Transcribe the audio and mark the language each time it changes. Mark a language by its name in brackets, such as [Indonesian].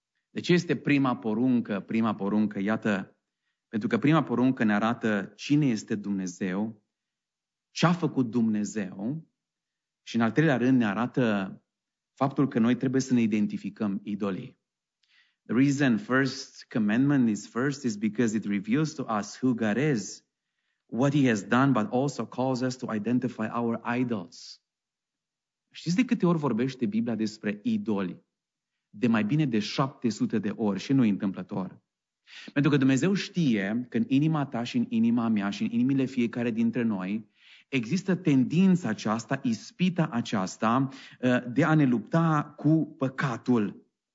[Romanian] Deci este prima poruncă, iată, pentru că prima poruncă ne arată cine este Dumnezeu, ce a făcut Dumnezeu, și în al treilea rând ne arată faptul că noi trebuie să ne identificăm idolii. [English] The reason first commandment is first is because it reveals to us who God is, what He has done, but also calls us to identify our idols. [Romanian] Știți de câte ori vorbește Biblia despre idoli? De mai bine de 700 de ori, și nu-i întâmplător. Pentru că Dumnezeu știe că în inima ta și în inima mea și în inimile fiecare dintre noi există tendința aceasta, ispita aceasta, de a ne lupta cu păcatul.